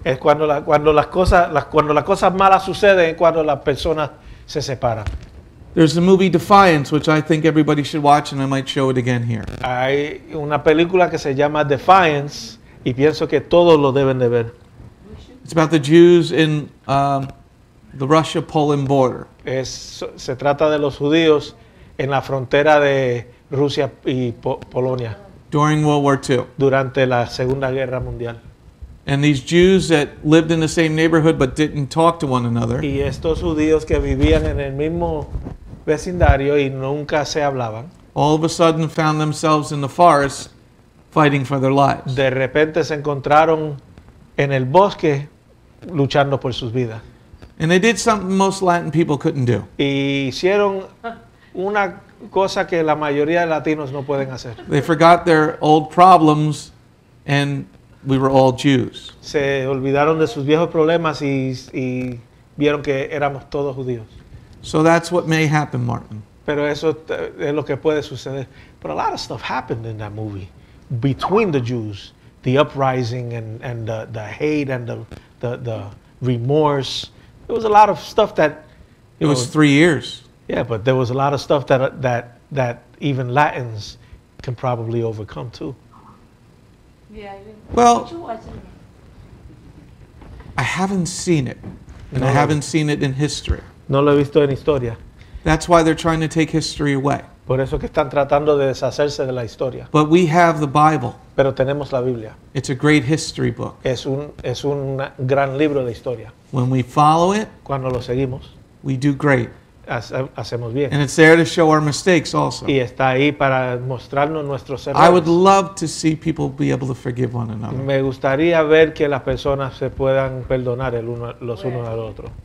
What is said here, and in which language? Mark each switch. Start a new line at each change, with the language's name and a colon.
Spanish: Es cuando las cosas malas suceden, cuando las personas se separan.
English: There's a movie Defiance, which I think everybody should watch, and I might show it again here.
Spanish: Hay una película que se llama Defiance, y pienso que todos lo deben de ver.
English: It's about the Jews in the Russia-Poland border.
Spanish: Se trata de los judíos en la frontera de Rusia y Polonia.
English: During World War II.
Spanish: Durante la Segunda Guerra Mundial.
English: And these Jews that lived in the same neighborhood but didn't talk to one another.
Spanish: Y estos judíos que vivían en el mismo vecindario y nunca se hablaban.
English: All of a sudden found themselves in the forest fighting for their lives.
Spanish: De repente se encontraron en el bosque luchando por sus vidas.
English: And they did something most Latin people couldn't do.
Spanish: Y hicieron una cosa que la mayoría de latinos no pueden hacer.
English: They forgot their old problems and we were all Jews.
Spanish: Se olvidaron de sus viejos problemas y vieron que éramos todos judíos.
English: So that's what may happen, Martin.
Spanish: Pero eso es lo que puede suceder.
English: But a lot of stuff happened in that movie between the Jews, the uprising and the hate and the remorse. There was a lot of stuff that it was 3 years. Yeah, but there was a lot of stuff that even Latins can probably overcome too. Yeah. Well, did you watch it? I haven't seen it, and no. I haven't seen it in history.
Spanish: No lo he visto en historia.
English: That's why they're trying to take history away.
Spanish: Por eso que están tratando de deshacerse de la historia.
English: But we have the Bible.
Spanish: Pero tenemos la Biblia.
English: It's a great history book.
Spanish: Es un gran libro de historia.
English: When we follow it,
Spanish: cuando lo seguimos,
English: we do great.
Spanish: Hacemos bien.
English: And it's there to show our mistakes also.
Spanish: Y está ahí para mostrarnos nuestros errores.
English: I would love to see people be able to forgive one another.
Spanish: Me gustaría ver que las personas se puedan perdonar el uno, los unos al otro.